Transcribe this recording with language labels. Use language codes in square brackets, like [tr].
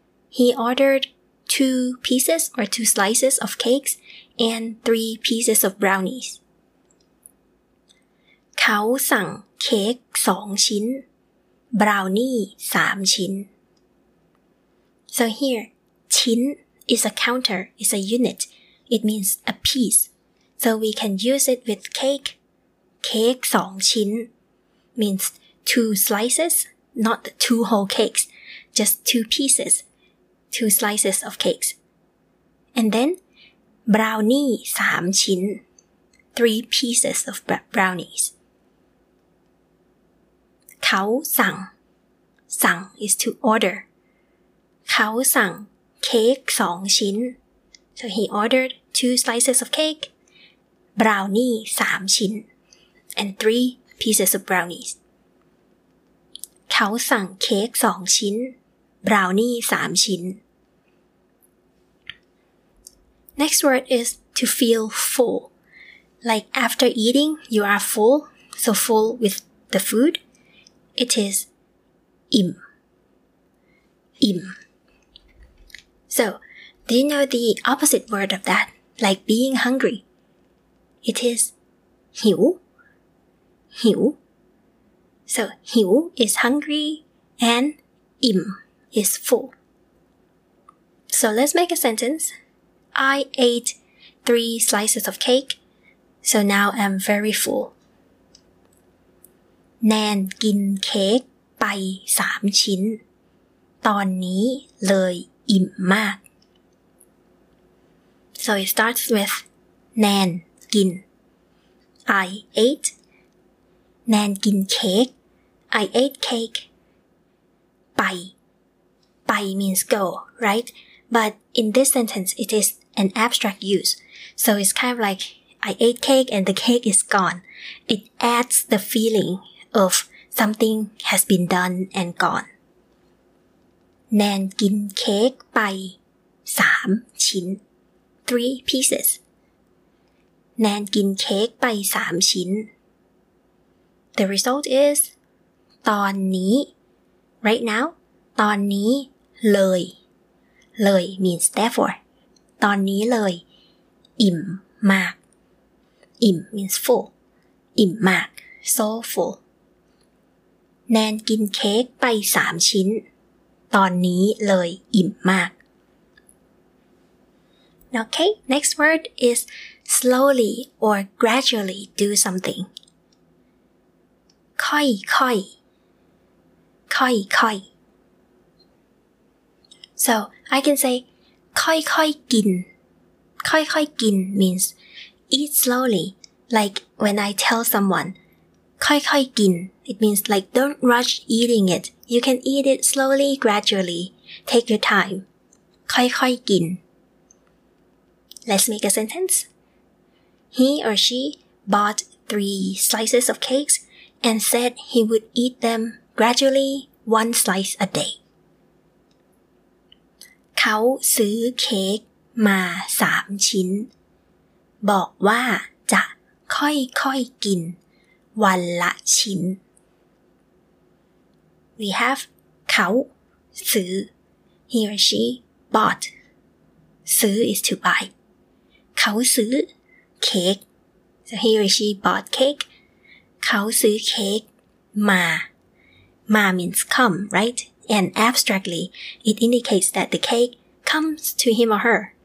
[en] He ordered 2 pieces or 2 slices of cakes and 3 pieces of brownies. [th] เขาสั่งเค้ก2 ชิ้น brownie 3 ชิ้น [en] So here, chin is a counter, is a unit. It means a piece. So we can use it with cake. [th] เค้ก2 ชิ้น [en] means 2 slices, not 2 whole cakes. Just 2 pieces, 2 slices of cakes. And then, [th] brownie 3 ชิ้น, [en] 3 pieces of brownies. [th] เขาสั่ง, สั่ง [en] is to order. [th] เขาสั่งเค้ก2 ชิ้น. [en] So he ordered 2 slices of cake, [th] brownie 3 ชิ้น, [en] and 3 pieces of brownies. [th] เขาสั่งเค้ก2 ชิ้น. Brownie 3 ชิ้น [en] Next word is to feel full. Like after eating, you are full. So full with the food. It is [th] อิ่ม อิ่ม [en] So, do you know the opposite word of that? Like being hungry. It is [th] หิว หิว [en] So, [th] หิว [en] is hungry and [th] อิ่ม [en] is full. So let's make a sentence. I ate 3 slices of cake, so now I'm very full. [th] Nan กินเค้กไป3 ชิ้น ตอนนี้เลยอิ่มมาก [en] So it starts with Nan [th] กิน [en] I ate [th] Nan กินเค้ก [en] I ate cake [th] ไป ไป [en] means go, right? But in this sentence, it is an abstract use. So it's kind of like, I ate cake and the cake is gone. It adds the feeling of something has been done and gone. [th] แนนกินเค้กไป3 ชิ้น [en] 3 pieces. [th] แนนกินเค้กไป3 ชิ้น [en] The result is, [th] ตอนนี้ [en] right now, [th] ตอนนี้เลยเลย [en] means therefore [th] ตอนนี้เลยอิ่มมากอิ่ม [en] means full [th] อิ่มมาก [en] so full [th] แนนกินเค้กไป3ชิ้นตอนนี้เลยอิ่มมาก [en] Okay, next word is slowly or gradually do something [th] ค่อยค่อยค่อยค่อย [en] So, I can say [th] ค่อยค่อยกินค่อยค่อยกิน [en] means eat slowly like when I tell someone [th] ค่อยค่อยกิน [en] It means like don't rush eating it. You can eat it slowly, gradually. Take your time. [th] ค่อยค่อยกิน [en] Let's make a sentence. He or she bought 3 slices of cakes and said he would eat them gradually 1 slice a day. [th] เขาซื้อเค้กมา3ชิ้นบอกว่าจะค่อยค่อยกินวันละชิ้น [en] We have [th] เขาซื้อ [en] he or she bought [th] ซื้อ [en] is to buy [th] เขาซื้อเค้ก [en] so he or she bought cake [th] เขาซื้อเค้กมา [en] means come right and abstractly it indicates that the cake comes to him or her